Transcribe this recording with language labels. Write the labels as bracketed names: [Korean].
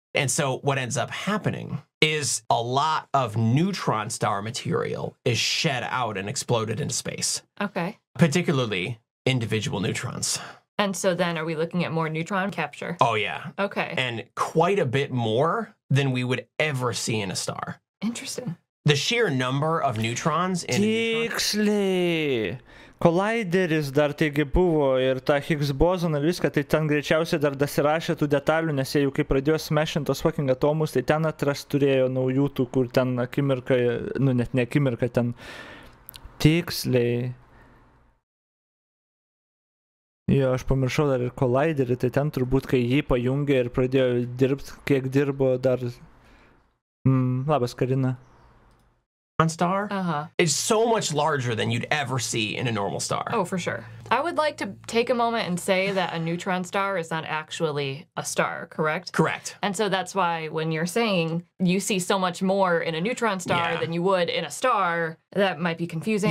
[English] And so what ends up happening is a lot of neutron star material is shed out and exploded into space. Okay. Particularly individual neutrons. And so then are we looking at more neutron capture? Oh, yeah. Okay. And quite a bit more than we would ever see in a star. Interesting. The sheer number of neutrons in [Lithuanian] Tiksliai. Collideris dar taigi buvo ir ta Higgs bozoną ir viską, tai ten greičiausiai dar dasirašė tų detalių, nes jie jau kai pradėjo smashinti tos fucking atomus, tai ten atras turėjo naujų tų, kur ten akimirka, nu net ne akimirka, ten tiksliai. Jo, aš pamiršau dar ir collideris, tai ten turbūt, kai jį pajungė ir pradėjo dirbti, kiek dirbo dar... labas, Karina. [English] Star, uh-huh. It's so much larger than you'd ever see in a normal star. Oh, for sure. I would like to take a moment and say that a neutron star is not actually a star, correct? Correct. And so that's why when you're saying you see so much more in a neutron star than you would in a star, that might be confusing.